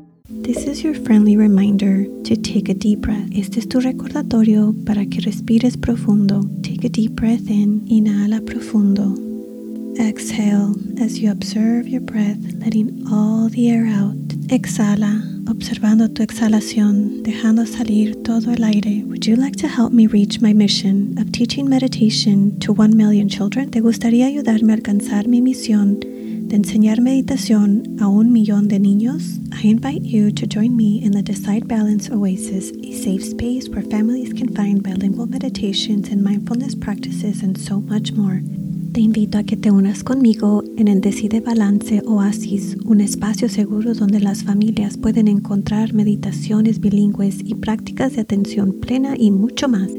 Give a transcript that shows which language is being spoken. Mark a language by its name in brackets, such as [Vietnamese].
[English] This is your friendly reminder to take a deep breath. [Spanish] Este es tu recordatorio para que respires profundo. [English] Take a deep breath in. [Spanish] Inhala profundo. [English] Exhale as you observe your breath, letting all the air out. [Spanish] Exhala, observando tu exhalación, dejando salir todo el aire. [English] Would you like to help me reach my mission of teaching meditation to 1 million children? [Spanish] ¿Te gustaría ayudarme a alcanzar mi misión de enseñar meditación a 1 millón de niños? [English] I invite you to join me in the Decide Balance Oasis, a safe space where families can find bilingual meditations and mindfulness practices and so much more. [Spanish] Te invito a que te unas conmigo en el Decide Balance Oasis, un espacio seguro donde las familias pueden encontrar meditaciones bilingües y prácticas de atención plena y mucho más.